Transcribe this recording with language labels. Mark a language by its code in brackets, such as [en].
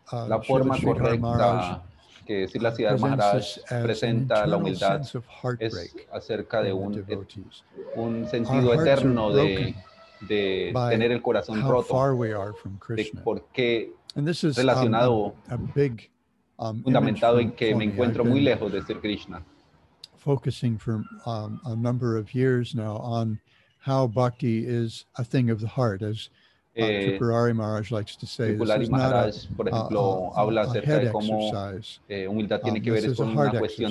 [es] la forma correcta que Srila Sridhar Maharaj presenta la humildad es acerca de un sentido eterno de tener el corazón roto, de por qué relacionado, fundamentado en que me encuentro muy lejos de ser Krishna. [en] Focusing for a number of years now on how bhakti is a thing of the heart, as Tripurari Maharaj likes to say, this is Maharaj, not a, [es] por ejemplo, habla acerca de cómo humildad tiene que ver con una cuestión